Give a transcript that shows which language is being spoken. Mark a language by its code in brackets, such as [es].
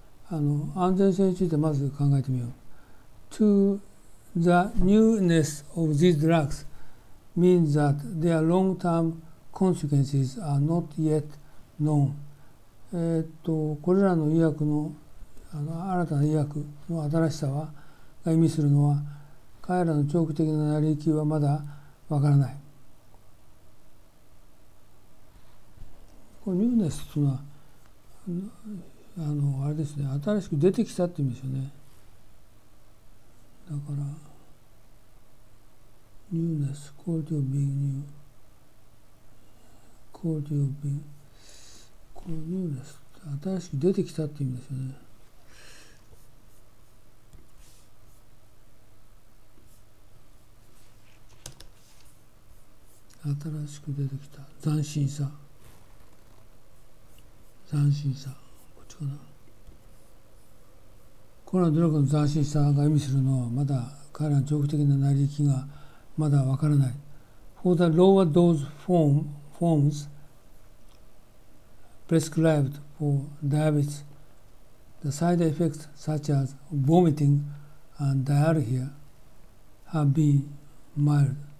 [ja] 安全性についてまず考えてみよう。 [en] To the newness of these drugs means that their long-term consequences are not yet known. [ja] これらの医薬の、新たな医薬の新しさは、が意味するのは、彼らの長期的な成り行きはまだわからない。このニューネスというのは、あれですね、新しく出てきたって意味ですよね。だから、ニューネス、 [en] クオリティオブビングニュー、クオリティオブビング、 [ja] このニューネス、新しく出てきたって意味ですよね。新しく出てきた斬新さ、斬新さ、こっちかな。コロナドラッグの斬新さが意味するのはまだ彼らの長期的な成り行きがまだわからない。 [en] For the lower dose forms prescribed for diabetes, the side effects such as vomiting and diarrhea have been mild.